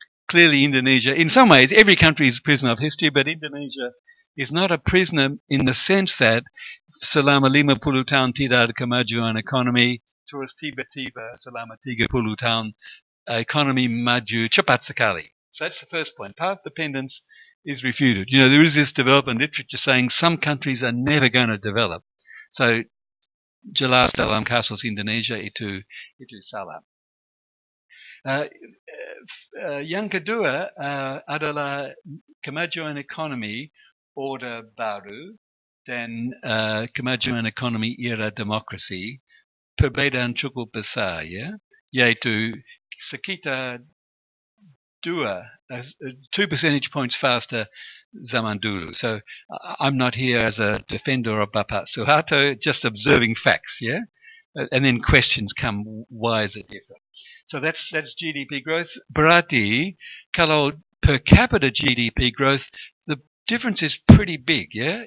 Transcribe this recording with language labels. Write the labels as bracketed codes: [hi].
[en] Clearly, Indonesia, in some ways, every country is a prisoner of history, but Indonesia is not a prisoner in the sense that [id] selama 50 tahun tidak ada kemajuan ekonomi, terus tiba-tiba selama 30 tahun ekonomi maju cepat sekali. [en] So that's the first point. Path dependence is refuted. You know, there is this development literature saying some countries are never going to develop. [id] So jelas dalam kasus Indonesia itu salah. Yang kedua adalah kemajuan ekonomi orde baru dan kemajuan ekonomi era demokrasi perbedaan cukup besar, ya, yaitu sekitar [en] 2 percentage points faster [id] zaman dulu. [en] So I'm not here as a defender of Bapak Suharto, just observing facts, yeah? And then questions come, why is it different? So that's GDP growth. [id] Berarti kalau [en] per capita GDP growth, the difference is pretty big, yeah?